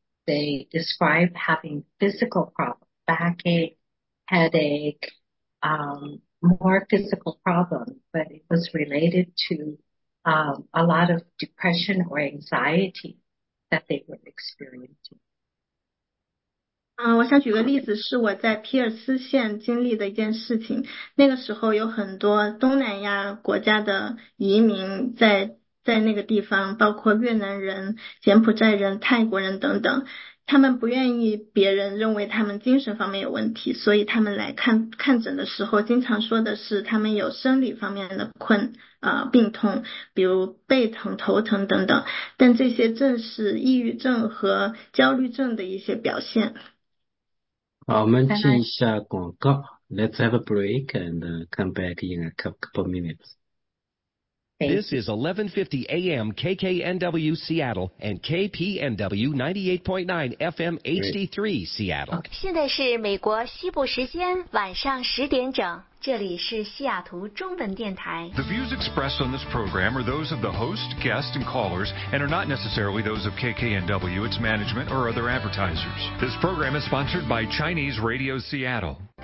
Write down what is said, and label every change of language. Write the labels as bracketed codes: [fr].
[en] They described having physical problems, backache, headache, more physical problems, but it was related to a lot of depression or anxiety that they were experiencing. [zh] 我想举个例子，是我在皮尔斯县经历的一件事情。那个时候有很多东南亚国家的移民在那个地方，包括越南人、柬埔寨人、泰国人等等。他们不愿意别人认为他们精神方面有问题，所以他们来看诊的时候，经常说的是他们有生理方面的病痛，比如背疼、头疼等等。但这些正是抑郁症和焦虑症的一些表现。好，我们原来，一下广告。 [en] Let's have a break and come back in a couple minutes. This is 1150 AM KKNW Seattle and KPNW 98.9 FM HD3 Seattle. Okay. [zh] 现在是美国西部时间晚上10点整。这里是西雅图中文电台。 [en] The views expressed on this program are those of the host, guests, and callers, and are not necessarily those of KKNW, its management, or other advertisers. This program is sponsored by Chinese Radio Seattle.